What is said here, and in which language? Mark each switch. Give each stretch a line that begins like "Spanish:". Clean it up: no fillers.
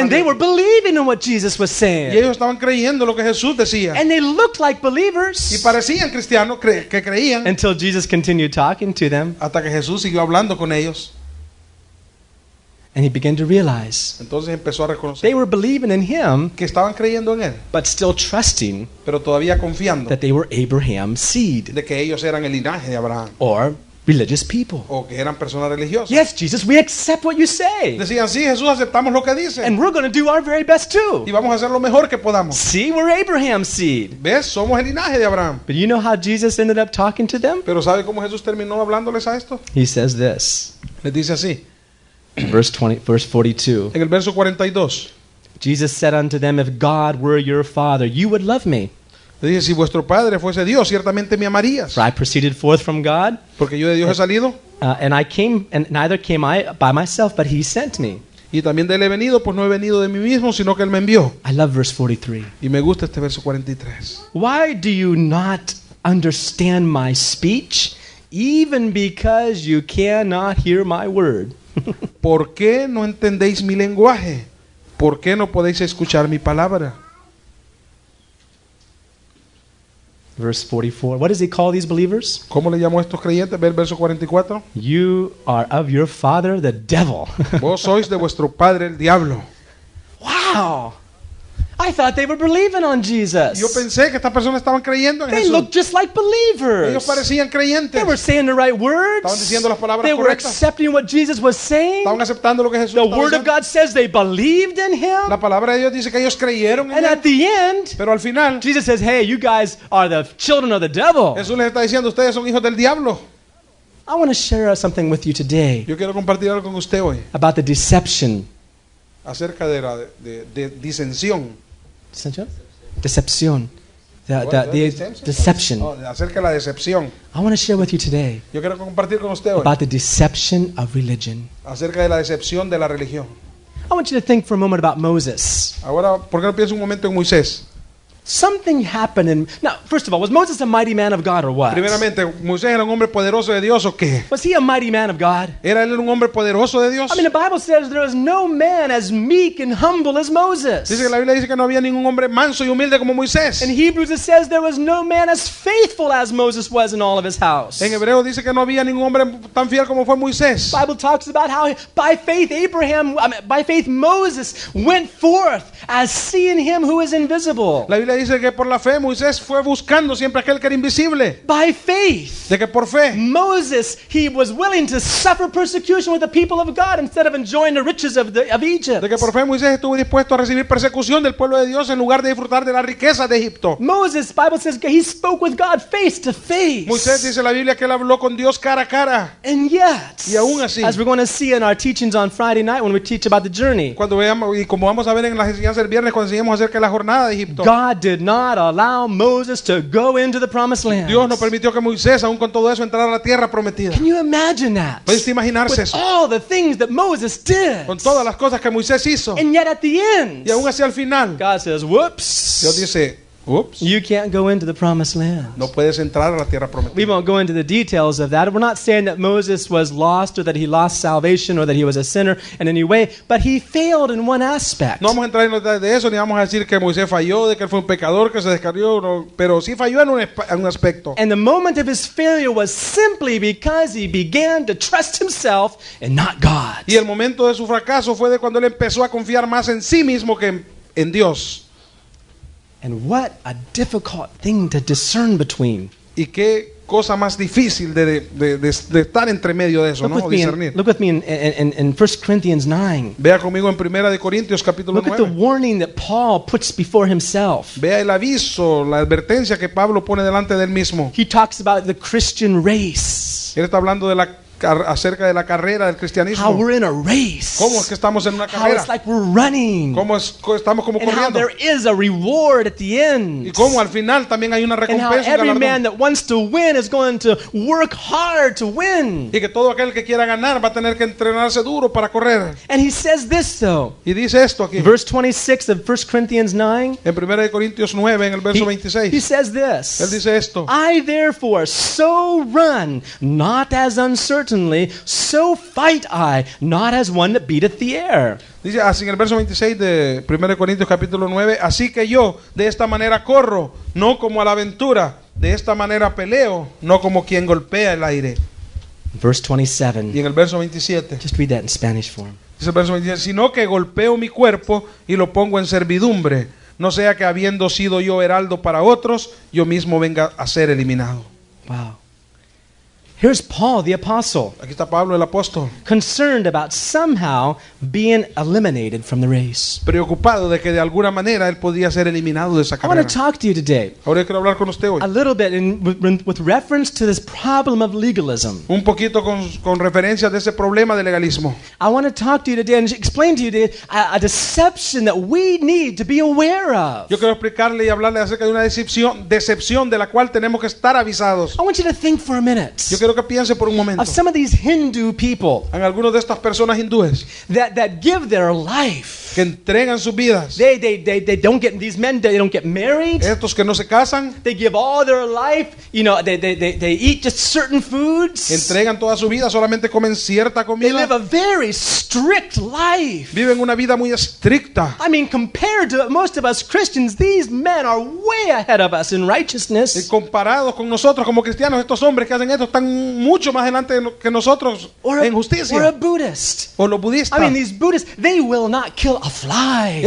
English: abiertas. And they were believing in what Jesus was saying.
Spanish: Y ellos estaban creyendo lo que Jesús decía.
English: And they looked like believers.
Spanish: Y parecían cristianos que creían.
English: Until Jesus continued talking to them.
Spanish: Hasta que Jesús siguió hablando con ellos.
English: And he began to realize.
Spanish: Entonces empezó a reconocer.
English: They were believing in him,
Spanish: que estaban creyendo en él,
English: but still trusting,
Spanish: pero todavía confiando,
English: that they were Abraham's seed,
Spanish: de que ellos eran el linaje de Abraham,
English: or religious people.
Spanish: O que eran personas religiosas.
English: Yes, Jesus, we accept what you say.
Spanish: Decían, sí, Jesús, aceptamos lo que dice.
English: And we're going to do our very best too.
Spanish: Y vamos a hacer lo mejor que podamos.
English: See, we're Abraham's seed.
Spanish: ¿Ves? Somos el linaje de Abraham.
English: But you know how Jesus ended up talking to them?
Spanish: ¿Pero sabe cómo Jesús terminó hablándoles a esto?
English: He says this.
Spanish: Les dice así.
English: Verse 42.
Spanish: En el verso 42.
English: Jesus said unto them, if God were your father, you would love me.
Spanish: Le dice, si vuestro padre fuese Dios, ciertamente me amarías.
English: For I proceeded forth from God.
Spanish: Porque yo de Dios he salido.
English: And I came, and neither came I by myself, but he sent me.
Spanish: Y también de él he venido, pues no he venido de mí mismo, sino que él me envió.
English: I love verse 43.
Spanish: Y me gusta este verso 43.
English: Why do you not understand my speech, even because you cannot hear my word?
Spanish: ¿Por qué no entendéis mi lenguaje? ¿Por qué no podéis escuchar mi palabra?
English: Verse 44. What does he call these believers?
Spanish: ¿Cómo le llamó a estos creyentes? Ve el verso 44.
English: You are of your father the devil.
Spanish: Vos sois de vuestro padre el diablo.
English: Wow. I thought they were believing on Jesus.
Spanish: Yo pensé que estas personas estaban creyendo en Jesús.
English: They looked just like believers.
Spanish: Ellos parecían creyentes.
English: They were saying the right words.
Spanish: Estaban diciendo las palabras
English: they
Spanish: correctas.
English: They were accepting what Jesus was saying.
Spanish: Estaban aceptando lo que Jesús
English: the
Spanish: estaba
English: word
Spanish: diciendo.
English: Of God says they believed in him.
Spanish: La palabra de Dios dice que ellos creyeron
English: and at
Spanish: él.
English: The end,
Spanish: pero al final,
English: Jesus says, hey, you guys are the children of the devil.
Spanish: Jesús les está diciendo, ustedes son hijos del diablo.
English: I want to share something with you today.
Spanish: Yo quiero compartir algo con usted hoy.
English: About the deception.
Spanish: Acerca de la disensión.
English: Decepción. Deception.
Spanish: Oh, acerca de la decepción.
English: I want to share with you today.
Spanish: Yo quiero compartir con usted hoy.
English: About the deception of religion.
Spanish: Acerca de la decepción de la religión.
English: I want you to think for a moment about Moses.
Spanish: Ahora, ¿por qué no piensas un momento en Moisés?
English: Something happened in, now, first of all, was Moses a mighty man of God or what?
Spanish: Primeramente, ¿Moisés era un hombre poderoso de Dios o qué?
English: Was he a mighty man of God?
Spanish: ¿Era él un hombre poderoso de Dios?
English: I mean, the Bible says there is no man as meek and humble as Moses.
Spanish: Dice que la Biblia dice que no había ningún hombre manso y humilde como Moisés.
English: In Hebrews it says there was no man as faithful as Moses was in all of his house.
Spanish: En Hebreo dice que no había ningún hombre tan fiel como fue Moisés.
English: The Bible talks about how by faith Moses went forth as seeing him who is invisible.
Spanish: La Biblia dice que por la fe Moisés fue buscando siempre aquel que era invisible.
English: By faith.
Spanish: De que por fe.
English: Moses, he was willing to suffer persecution with the people of God instead of enjoying the riches of Egypt.
Spanish: De que por fe Moisés estuvo dispuesto a recibir persecución del pueblo de Dios en lugar de disfrutar de la riqueza de Egipto.
English: Moses, Bible says that he spoke with God face to face.
Spanish: Moisés dice la Biblia que él habló con Dios cara a cara.
English: And yet.
Spanish: Y aún así.
English: As we're going to see in our teachings on Friday night when we teach about the journey.
Spanish: Cuando veamos y como vamos a ver en las enseñanzas del viernes cuando enseñamos acerca de la jornada de Egipto.
English: God did not allow Moses to go into the promised land.
Spanish: Dios no permitió que Moisés, aun con todo eso, entrara a la tierra prometida.
English: Can you imagine that?
Spanish: ¿Puedes imaginarse
English: eso? All the things that Moses did.
Spanish: Con todas las cosas que Moisés hizo.
English: And yet at the end.
Spanish: Y aún así al final.
English: God says, "Whoops."
Spanish: Dios dice, "Whoops."
English: You can't go into the promised land.
Spanish: No puedes entrar a la tierra prometida.
English: We won't go into the details of that. We're not saying that Moses was lost or that he lost salvation or that he was a sinner in any way, but he failed in one aspect.
Spanish: No vamos a entrar en detalles de eso ni vamos a decir que Moisés falló, de que él fue un pecador, que se descarrió, pero sí falló en un aspecto.
English: And the moment of his failure was simply because he began to trust himself and not God.
Spanish: Y el momento de su fracaso fue de cuando él empezó a confiar más en sí mismo que en Dios.
English: And what a difficult thing to discern between.
Spanish: ¿Y qué cosa más difícil de estar entre medio de eso,
English: look
Spanish: no?
English: With
Spanish: discernir.
English: Look with me in 1 Corinthians 9.
Spanish: Vea conmigo en Primera de Corintios capítulo
English: look
Spanish: 9.
English: Look at the warning that Paul puts before himself.
Spanish: Vea el aviso, la advertencia que Pablo pone delante del mismo.
English: He talks about the Christian race.
Spanish: Él está hablando de la acerca de la carrera del cristianismo.
English: How we're in a race.
Spanish: ¿Cómo es que estamos en una carrera?
English: How it's like we're running.
Spanish: ¿Cómo es que estamos como
English: and
Spanish: corriendo?
English: How there is a reward at the end.
Spanish: ¿Y cómo al final también hay una recompensa,
English: and how every man that wants to win is going to work hard to win.
Spanish: Y que todo aquel que quiera ganar va a tener que entrenarse duro para correr.
English: And he says this though.
Spanish: Y dice esto aquí.
English: Verse 26 of 1 Corinthians 9.
Spanish: En Primera de Corintios 9 en el verso 26.
English: He says this.
Spanish: Él dice esto.
English: I therefore so run, not as uncertain. So fight I, not as one that beateth the air.
Spanish: Dice así en el verso 26 de 1 Corintios capítulo 9, así que yo de esta manera corro, no como a la aventura, de esta manera peleo, no como quien golpea el aire.
English: Verse 27.
Spanish: Y en el verso 27.
English: Just read that in Spanish for him.
Spanish: Dice el verso 27, sino que golpeo mi cuerpo y lo pongo en servidumbre, no sea que habiendo sido yo heraldo para otros, yo mismo venga a ser eliminado.
English: Wow. Here's Paul, the apostle.
Spanish: Aquí está Pablo, el apóstol.
English: Concerned about somehow being eliminated from the race.
Spanish: Preocupado de que de alguna manera él podía ser eliminado de esa carrera.
English: I want to talk to you today.
Spanish: Ahora quiero hablar con usted hoy.
English: A little bit with reference to this problem of legalism.
Spanish: Un poquito con referencia de ese problema de legalismo.
English: I want to talk to you today and explain to you today a deception that we need to be aware of.
Spanish: Yo quiero explicarle y hablarle acerca de una decepción de la cual tenemos que estar avisados.
English: I want you to think for a minute.
Spanish: Yo quiero que piense por un momento.
English: Of some of these Hindu people,
Spanish: en algunos de estas personas hindúes,
English: that give their life,
Spanish: que entregan sus vidas.
English: They don't get these men. They don't get married.
Spanish: Estos que no se casan.
English: They give all their life. You know, they eat just certain foods.
Spanish: Entregan toda su vida. Solamente comen cierta comida.
English: They live a very strict life.
Spanish: Viven una vida muy estricta.
English: I mean, compared to most of us Christians, these men are way ahead of us in righteousness.
Spanish: Y comparados con nosotros como cristianos, estos hombres que hacen esto están mucho más adelante que nosotros en justicia.
English: Or a Buddhist.
Spanish: O los budistas.
English: I mean, these Buddhists, they will not kill a fly.